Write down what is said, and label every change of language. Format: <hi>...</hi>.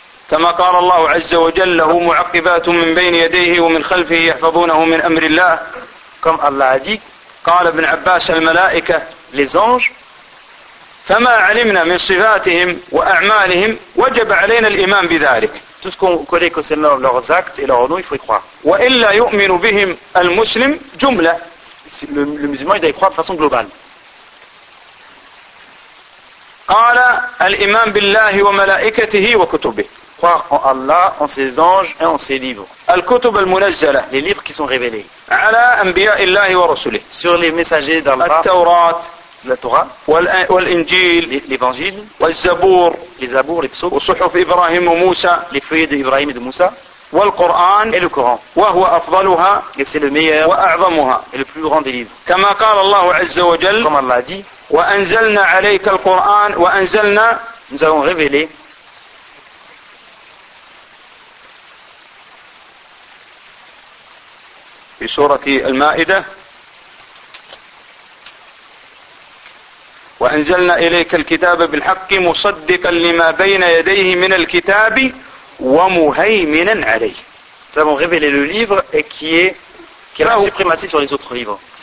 <ar>كما قال الله عز وجل له معقبات من بين يديه ومن خلفه يحفظونه من أمر الله كم الله عديك قال ابن عباس الملائكة فما علمنا من صفاتهم وأعمالهم وجب علينا الإيمان بذلك</ar> <fr>tout ce qu'on connaît concernant leurs actes et leurs noms, il faut y croire.</fr> <ar>وإلا يؤمن بهم المسلم جملة</ar> <fr>le musulman il doit y croire de façon globale.</fr> <ar>قال الإيمان بالله وملائكته وكتبه.</ar> <fr>Croire en Allah, en ses anges et en ses livres.</fr> <ar>الكتب المنزلة</ar> <fr>les livres qui sont révélés.</fr> <ar>على أنبياء الله ورسله</ar> <fr>sur les messagers d'Allah.</fr> <ar>التوراة</ar> <fr>la Torah.</fr> <ar>والإنجيل</ar> <fr>l'Évangile.</fr> <ar>والزبور</ar> <fr>les Zabours les Psaumes.</fr> <ar>وصحف إبراهيم وموسى</ar> <fr>les feuilles d'Ibrahim et de Moussa.</fr> <ar>والقرآن</ar> <fr>et le Coran.</fr> <ar>وهو أفضلها</ar> <fr>et c'est le meilleur.</fr> <ar>وأعظمها</ar> <fr>et le plus grand des livres.</fr> <ar>كما قال الله عز وجل</ar> <fr>comme Allah a dit</fr> <ar>وأنزلنا عليك القرآن وأنزلنا</ar> <fr>nous avons révélé</fr> <ar>في سورة المائدة وأنزلنا إليك الكتاب بالحق مصدقا لما بين يديه من الكتاب ومهيمنا عليه</ar> <fr>nous avons révélé le livre et qui a la suprématie sur les autres livres.</fr>